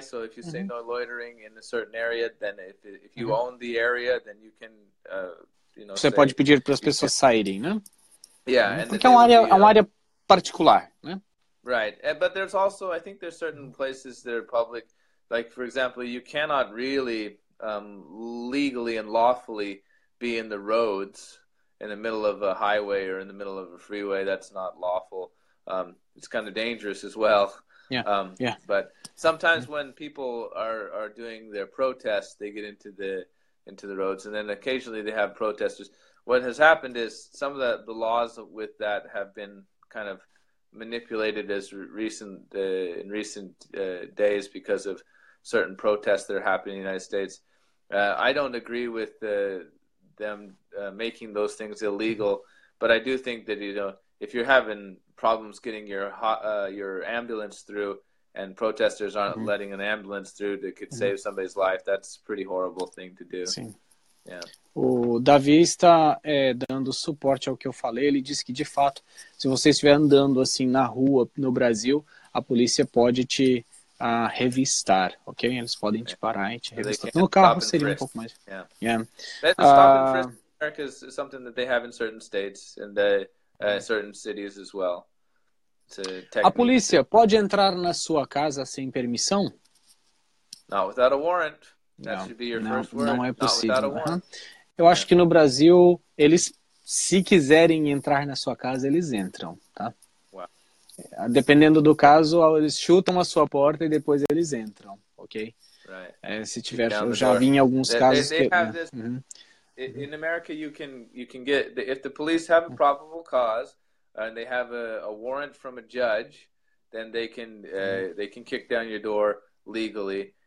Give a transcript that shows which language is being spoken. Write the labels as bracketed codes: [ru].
[en] So if you say no loitering in a certain area, then if you own the area, then you can you know. [pt] Você pode pedir para as pessoas saírem, né? [en] Yeah, [pt] porque é uma área particular, né? [en] Right, but there's also, I think there's certain places that are public, like, for example, you cannot really legally and lawfully be in the roads, in the middle of a highway or in the middle of a freeway. That's not lawful. It's kind of dangerous as well. Yeah, But sometimes when people are doing their protests, they get into the roads, and then occasionally they have protesters. What has happened is some of the laws with that have been kind of manipulated as recent days because of certain protests that are happening in the United States. I don't agree with them making those things illegal, but I do think that, you know, if you're having problems getting your ambulance through and protesters aren't letting an ambulance through that could save somebody's life, that's a pretty horrible thing to do. [pt] Sim. [en] Yeah. [pt] O Davi está dando suporte ao que eu falei. Ele disse que, de fato, se você estiver andando assim na rua no Brasil, a polícia pode te revistar, ok? Eles podem te parar e te revistar. No carro seria um pouco mais. [en] Yeah. Yeah. Stop and frisk is something that they have in certain states and certain cities as well. [pt] A polícia pode entrar na sua casa sem permissão? [en] Not without a warrant. Não [pt] é possível. Eu acho que no Brasil, eles, se quiserem entrar na sua casa, eles entram, tá? [en] Wow. [pt] Dependendo do caso, eles chutam a sua porta e depois eles entram, ok? ok? Right. Se tiver, eu já vi em alguns casos [en] they que... This, in America, you can get... If the police have a probable cause, and they have a warrant from a judge, then they can kick down your door legally.